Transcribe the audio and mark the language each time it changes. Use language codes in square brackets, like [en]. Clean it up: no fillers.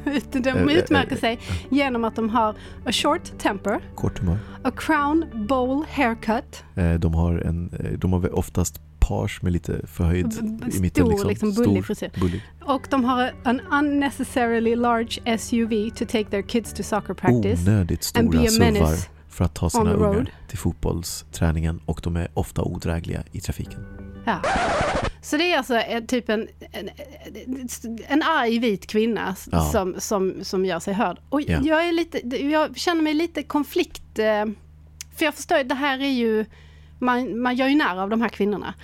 [sv] de utmärker sig genom att de har [en] a short temper, [sv] kort humör, [en] a crown bowl haircut. [sv] De har oftast page med lite förhöjd i mitten, liksom bullig frisyr. Och de har [en] an unnecessarily large SUV to take their kids to soccer practice. [sv] Onödigt stora SUVar för att ta sina ungar till fotbollsträningen, och de är ofta odrägliga i trafiken. Ja. Så det är alltså typ en arg vit kvinna, ja, som gör sig hörd. Och ja, jag känner mig lite konflikt. För jag förstår att det här är ju, man gör ju nära av de här kvinnorna.